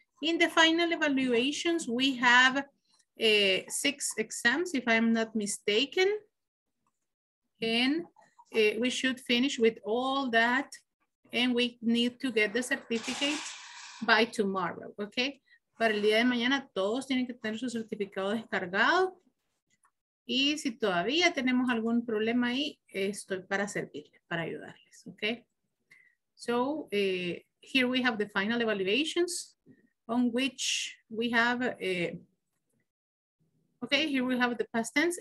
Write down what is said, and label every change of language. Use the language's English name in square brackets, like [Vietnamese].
[English] In the final evaluations, we have 6 exams, if I'm not mistaken. And we should finish with all that. And we need to get the certificate by tomorrow, okay? [Spanish] Para el día de mañana, todos tienen que tener su certificado descargado. Y si todavía tenemos algún problema ahí, estoy para servirles, para ayudarles, okay? [English] So, here we have the final evaluations on which we have, okay, here we have the past tense.